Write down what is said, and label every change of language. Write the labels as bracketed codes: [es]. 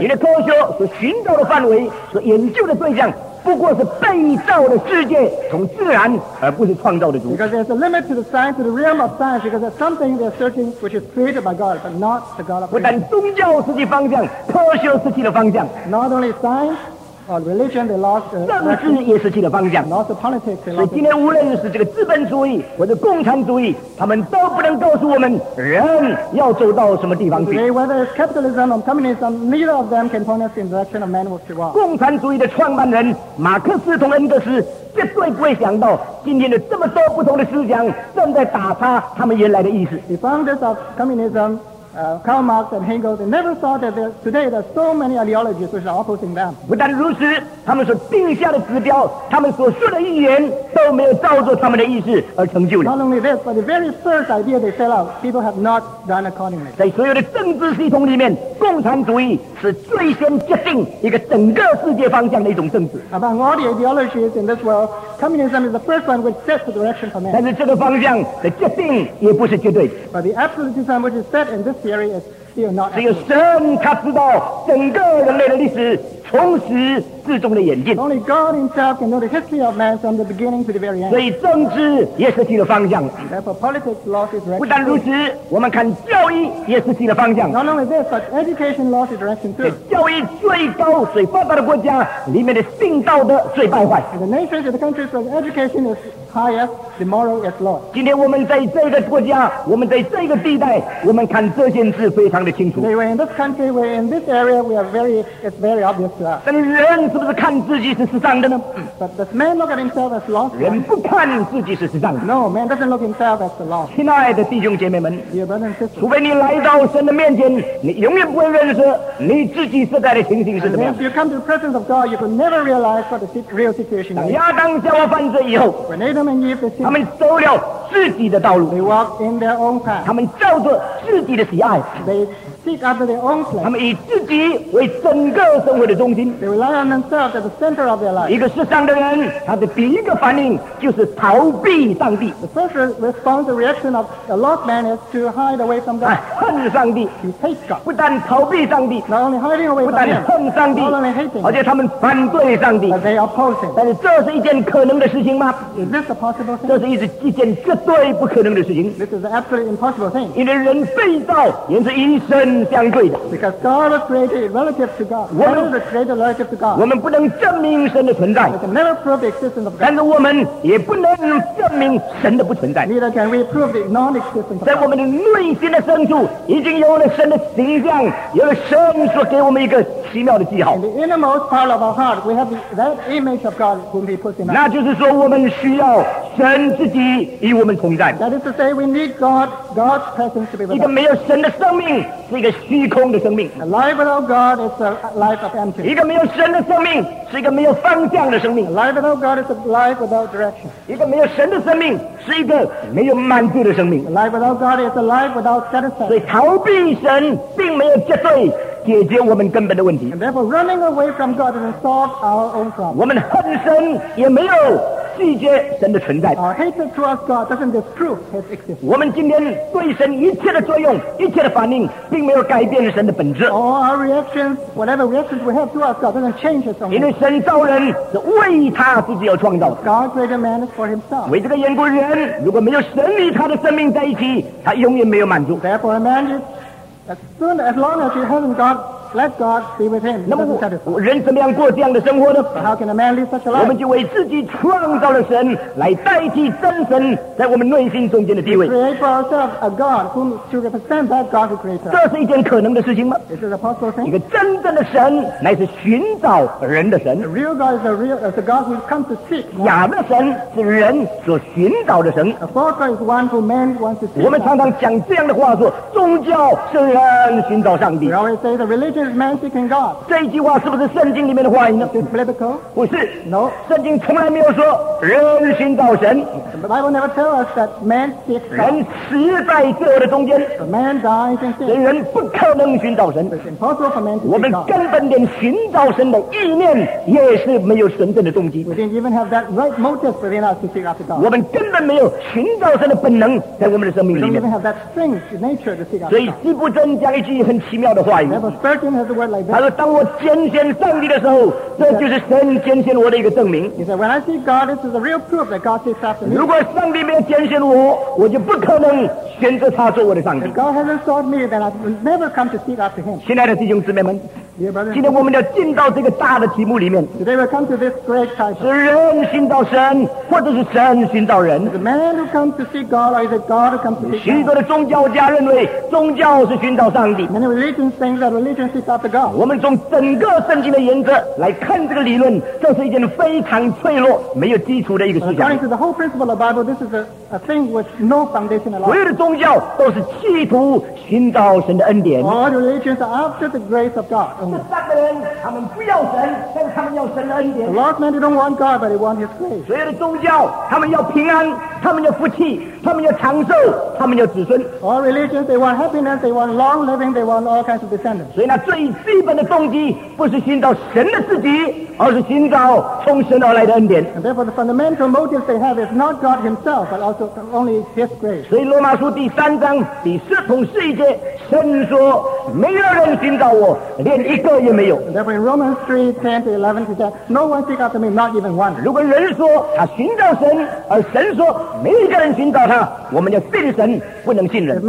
[zh] 你的科学所寻找的范围，所研究的对象。不过是被造的世界，从自然而不是创造的主。 [en] Because there's a limit to the science, to the realm of science, because there's something they're searching which is created by God, but not the God of creation. [zh] 不但宗教失去方向，科学失去了方向。 [en] Not only science. Religion, they lost, [zh] 政治也失去了方向。 [en] Lost the politics, lost [zh] 所以今天无论是这个资本主义或者共产主义，他们都不能告诉我们人要走到什么地方去。 [en] Today, whether it's capitalism or communism, neither of them can point us in the direction of man which he wants. [zh] 共产主义的创办人马克思同恩格斯绝对不会想到今天的这么多不同的思想正在打擦他们原来的意思。 [en] The founders of communism. Karl Marx and Engels, they never thought that today there are so many ideologies which are opposing them. [zh] 不但如此，他们所定下的指标，他们所说的预言，都没有照着他们的意思而成就了。 [en] Not only this, but the very first idea they set out, people have not done accordingly. [zh] 在所有的政治系统里面，共产主义是最先决定一个整个世界方向的一种政治。 [en] Among all the ideologies in this world, communism is the first one which sets the direction for men. [zh] 但是这个方向的决定也不是绝对的。 [en] But the absolutism which is set in this theory is still not absolute. [zh] 只有神他知道整个人类的历史从始至终的演进。 [en] Only God himself can know the history of man from the beginning to the very end. [zh] 所以政治也失去了方向。 [en] Therefore, politics lost its direction. [zh] 不但如此，我们看教育也失去了方向。 [en] Not only this, but education lost its direction too. [zh] 教育最高最发达的国家里面的性道德最败坏。 [en] The nations of the countries where education is highest, the moral is lost. [zh] 今天我们在这个国家，我们在这个地带，我们看这件事非常的清楚。 [en] Today, we're in this country, we're in this area, we are very, it's very obvious. [zh] 但人是不是看自己是世上的呢？ [en] But does man look at himself as lost? [zh] 人不看自己是世上的。 [en] No, man doesn't look himself as the lost. [zh] 亲爱的弟兄姐妹们， [en] Dear brothers and sisters, [zh] 除非你来到神的面前，你永远不会认识你自己世代的情形是怎么样。 [en] If you come to the presence of God, you could never realize what the real situation is. [zh] 当亚当夏娃犯罪以后， [en] When Adam and Eve, [zh] 他们走了自己的道路。 [en] They walk in their own path. [zh] 他们照着自己的喜爱。 [en] They seek after their own pleasure. [zh] 他们以自己为整个生活的中心。 [en] They rely on themselves at the center of their life. [zh] 一个世上的人，他的第一个反应就是逃避上帝。 [en] The first response, the reaction of a lost man is to hide away from God. [zh] 恨上帝。 [en] He hates God. [zh] 不但逃避上帝。 [en] Not only hiding away from him. [zh] 不但恨上帝。 [en] Not only hating. [zh] 而且他们反对上帝。 [en] But they oppose him. [zh] 但是这是一件可能的事情吗？这是一件绝对不可能的事情。 [en] This is an absolutely impossible thing. [zh] 因为人被造也是与神相对的。 [en] Because God was created relative to God. God was created relative to God. [zh] 我们不能证明神的存在。 [en] We can never prove the existence of God. [zh] 但是我们也不能证明神的不存在。 [en] Neither can we prove the non-existence of God. [zh] 在我们的内心的深处，已经有了神的形象，有了神所给我们一个奇妙的记号。 [en] In the innermost part of our heart, we have that image of God whom He puts in us. [zh] 那就是说我们需要神自己与我们同在。 [en] That is to say, we need God's presence to be with us. [zh] 一个没有神的生命是一个虚空的生命。 [en] A life without God is a life of empty. [zh] 一个没有神的生命是一个没有方向的生命。 [en] A life without God is a life without direction. [zh] 一个没有神的生命是一个没有满足的生命。 [en] A life without God is a life without satisfaction. [zh] 所以逃避神并没有绝对解决我们根本的问题。 [en] And therefore, running away from God doesn't solve our own problem. [zh] 我们恨神也没有拒绝神的存在。 [en] Our hatred towards God doesn't disprove His existence. [zh] 我们今天对神一切的作用、一切的反应，并没有改变神的本质。 [en] All our reactions, whatever reactions we have towards God, doesn't change His own. [zh] 因为神造人是为他自己而创造的。 [en] God created man is for Himself. [zh] 为这个缘故，人如果没有神与他的生命在一起，他永远没有满足。 [en] Therefore, man is as long as he hasn't got. Let God be with him. [zh] 那么人怎么样过这样的生活呢？ [en] How can a man live such a life? [zh] 我们就为自己创造了神来代替真神在我们内心中间的地位。 [en] We create for ourselves a God whom to represent that God who created us. [zh] 这是一件可能的事情吗？ [en] This is a possible thing. [zh] 一个真正的神乃是寻找人的神。 [en] A real God is a God who comes to seek. [zh] 假的神是人所寻找的神。 [en] A false God is one who man wants to seek. [zh] 我们常常讲这样的话，说宗教是人寻找上帝。 [en] We always say the religion is man seeking God. [zh] 这一句话是不是圣经里面的话语呢？ [en] Is it biblical? [zh] 不是。 [en] No. [zh] 圣经从来没有说人寻找神。 [en] The Bible never tells us that man seeks God. [zh] 人死在罪恶的中间。 [en] But man dies in sin. [zh] 所以人不可能寻找神。 [en] It's impossible for man to seek God. [zh] 我们根本连寻找神的意念也是没有神圣的动机。 [en] We didn't even have that right motive within us to seek after God. [zh] 我们根本没有寻找神的本能在我们的生命里面。 [en] We don't even have that strength, nature to seek after God. [zh] 所以希伯真讲一句很奇妙的话语。 [en] Like、 [zh] 他说：“当我拣选上帝的时候，这就是神拣选我的一个证明。” [en] He said, "When I see God, this is a real proof that God sees after me." [zh] 如果上帝没有拣选我，我就不可能选择他做我的上帝。 [en] If God hasn't sought me, then I will never come to seek after Him. [zh] 亲爱的弟兄姊妹们。 [en] Yeah, [zh] 今天我们要进到这个大的题目里面。 [en] Today we come to this great title. [zh] 是人寻找神，或者是神寻找人？ [en] Is man who comes to see God, or is it God who comes to see God? [zh] 许多的宗教家认为宗教是寻找上帝。 [en] Many religions think that religion seeks after God. [zh] 我们从整个圣经的原则来看这个理论，这是一件非常脆弱、没有基础的一个思想。 [en] According to the whole principle of Bible, this is a thing with no foundation at all. [zh] 所有的宗教都是企图寻找神的恩典。 [en] All religions are after the grace of God. The lost man, they don't want God, but they want His grace. [zh] 所有的宗教，他们要平安，他们要福气，他们要长寿，他们要子孙。 [en] All religions, they want happiness, they want long living, they want all kinds of descendants. [zh] 所以那最基本的动机，不是寻找神的自己，而是寻找从神而来的恩典。 [en] And therefore, the fundamental motive they have is not God Himself, but also only His grace. [zh] 所以罗马书第三章第四同十一节，神说：“没有人寻找我，连。” 一个也没有。 [en] And therefore, in Romans 3:10-11, he said, "No one seeks after me, not even one." [zh] 如果人说他寻找神，而神说没一个人寻找他，我们要信神，不能信人。